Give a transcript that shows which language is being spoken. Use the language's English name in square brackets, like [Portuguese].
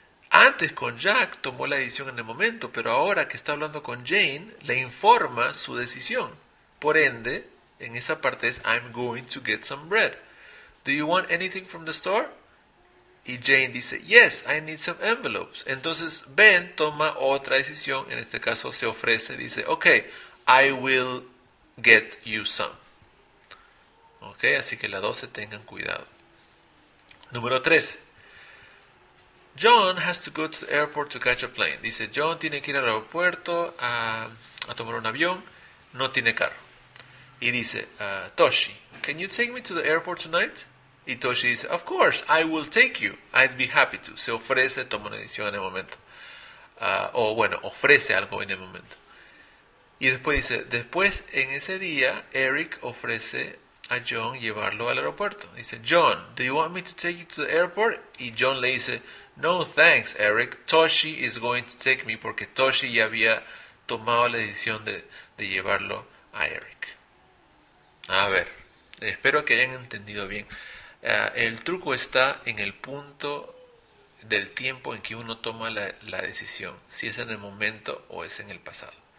[Spanish] Antes con Jack tomó la decisión en el momento, pero ahora que está hablando con Jane, le informa su decisión. Por ende, en esa parte es [English] I'm going to get some bread. Do you want anything from the store? [Spanish] Y Jane dice, [English] yes, I need some envelopes. [Spanish] Entonces Ben toma otra decisión, en este caso se ofrece, dice, [English] ok, I will get you some. [Spanish] Ok, así que las dos se tengan cuidado. Número 13. [English] John has to go to the airport to catch a plane. [Spanish] Dice, John tiene que ir al aeropuerto a tomar un avión, no tiene carro. Y dice, [English] Toshi, can you take me to the airport tonight? [Spanish] Y [English] Toshi dice, of course, I will take you. I'd be happy to. [Spanish] Se ofrece, toma una decisión en el momento. O bueno, ofrece algo en el momento. Y después dice, después en ese día, Eric ofrece a John llevarlo al aeropuerto. [English] Dice, John, do you want me to take you to the airport? [Spanish] Y John le dice, [English] no, thanks, [Spanish] Eric. [English] Toshi is going to take me [Spanish] porque Toshi ya había tomado la decisión de llevarlo a Eric. A ver, espero que hayan entendido bien. El truco está en el punto del tiempo en que uno toma la decisión, si es en el momento o es en el pasado.